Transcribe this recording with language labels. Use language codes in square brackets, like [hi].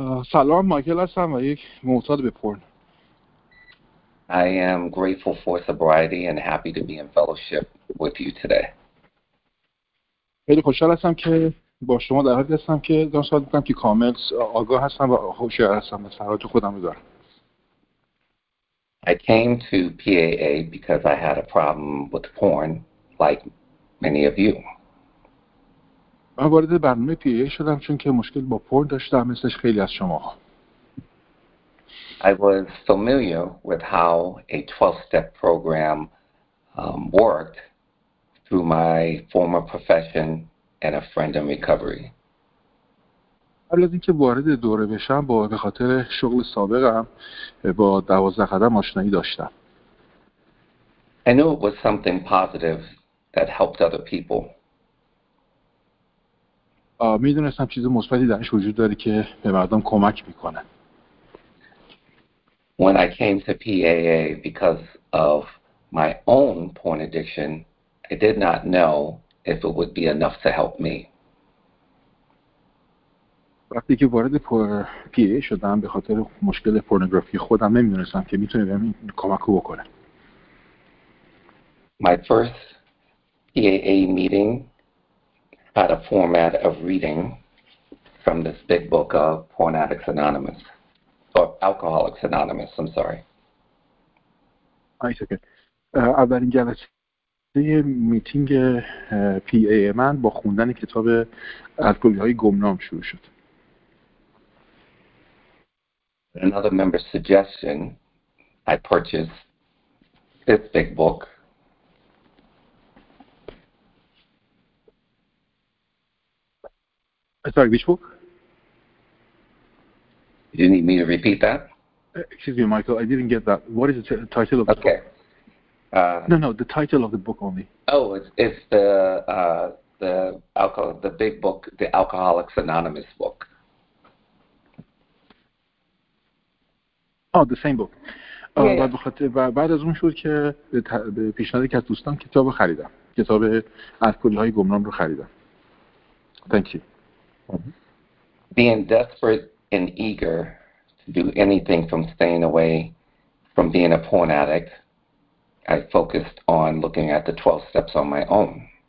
[fa] سلام مايكل، هستم و يك معتاد به پورن. [en] I am grateful for sobriety and happy to be in fellowship with you today. [fa] خیلی خوشحال هستم که با شما در حالی هستم که دارم صحبت میکنم که کامل آگاه هستم و هوشیار هستم و سرات خودم رو دارم. [en] I came to PAA because I had a problem with porn, like many of you. [fa] من وارد برنامه پی ای شدم چون که مشکل با پورن داشتم مثلش خیلی از شما. [en] I was familiar with how a 12-step program worked through my former profession and a friend in recovery. [fa] قبل از اینکه وارد دوره بشم به خاطر شغل سابقم با 12 قدم آشنایی داشتم. [en] I knew it was something positive that helped other people. [fa] میدونستم چیز مثبتی درش وجود داره که به مردم کمک میکنه. [en] When I came to PAA because of my own porn addiction, I did not know if it would be enough to help me. [fa] وقتی که وارد PAA شدم به خاطر مشکل پورنوگرافی خودم نمیدونستم که میتونه بهم کمک بکنه. [en] My first PAA meeting had a format of reading from this big book of Porn Addicts Anonymous. Or Alcoholics Anonymous, I'm sorry. I took it. [fa] اولین جلسه میتینگ پی ای من با خوندن کتاب الکلی‌های گمنام شروع شد. [en] Another member's suggestion, I purchased this big book. Sorry, which book? You didn't need me to repeat that? Excuse me, Michael, I didn't get that. What is the title of the book? Okay. No, the title of the book only. Oh, it's the big book, the Alcoholics Anonymous book. Oh, the same book. [fa] بعد از اون شد که به پیشنهاد یکی از دوستان کتاب خریدم. کتاب الکلی‌های گمنام رو خریدم. [en] Thank you. Being desperate and eager to do anything from staying away from being a porn addict, I focused on looking at the 12 steps on my own.